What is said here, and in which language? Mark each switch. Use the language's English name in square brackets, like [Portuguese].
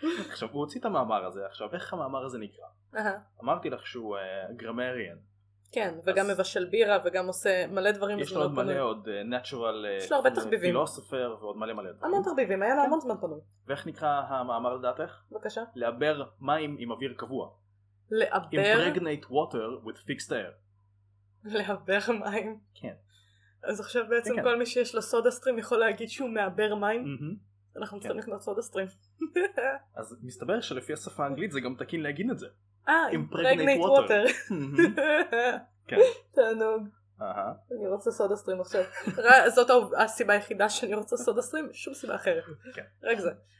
[Hebrew] עכשיו, הוא הוציא את המאמר הזה, עכשיו, איך המאמר הזה נקרא? אמרתי לך שהוא גרמריאן. כן, וגם מבשל בירה, וגם עושה מלא דברים. יש לו עוד מלא, עוד natural, יש לו הרבה תחביבים. פילוסופר ועוד מלא מלא דברים. המון תחביבים, היה לו המון זמן פנוי. ואיך נקרא המאמר לדעתך? בבקשה. לעבר מים עם אוויר קבוע. לעבר? [English] Impregnate water with fixed air. [Hebrew] לעבר מים? כן. אז עכשיו בעצם כל מי שיש לו סודה סטרים יכול להגיד שהוא מעבר מים? אנחנו צריכים לקנות סודה סטרים. אז מסתבר שלפי השפה האנגלית זה גם תקין להגיד את זה. [English] Impregnate water. [Hebrew] כן. תענוג. אני רוצה סודה סטרים עכשיו. זאת הסיבה היחידה שאני רוצה סודה סטרים, שום סיבה אחרת. רק זה.